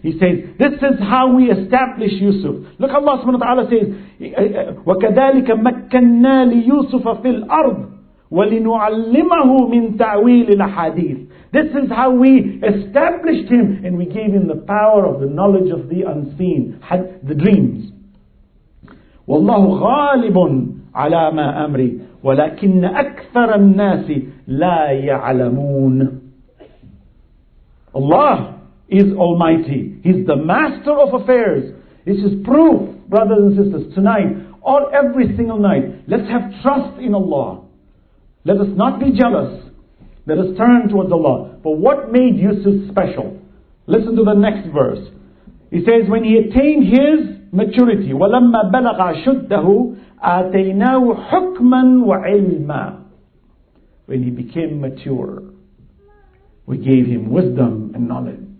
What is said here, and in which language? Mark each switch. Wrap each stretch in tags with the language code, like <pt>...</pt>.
<en>He says, this is how we establish Yusuf. Look how Allah subhanahu wa ta'ala says,</en> <ar>وَكَذَلِكَ مَكَّنَّا لِيُوسُفَ فِي الْأَرْضِ وَلِنُعَلِّمَهُ مِنْ تَعْوِيلِ الْحَدِيثِ</ar> <en>This is how we established him and we gave him the power of the knowledge of the unseen, the dreams.</en> <ar>وَاللَّهُ غَالِبٌ عَلَىٰ مَا أَمْرِي وَلَكِنَّ أَكْثَرَ النَّاسِ لَا يَعْلَمُونَ</ar> <en>Allah is Almighty. He's the master of affairs. This is proof, brothers and sisters, tonight or every single night. Let's have trust in Allah. Let us not be jealous. Let us turn towards Allah. But what made Yusuf special? Listen to the next verse. He says, when he attained his maturity,</en> <ar>وَلَمَّا بَلَغَ شُدَّهُ آتَيْنَاهُ حُكْمًا وَعِلْمًا</ar> <en>When he became mature, we gave him wisdom and knowledge.</en>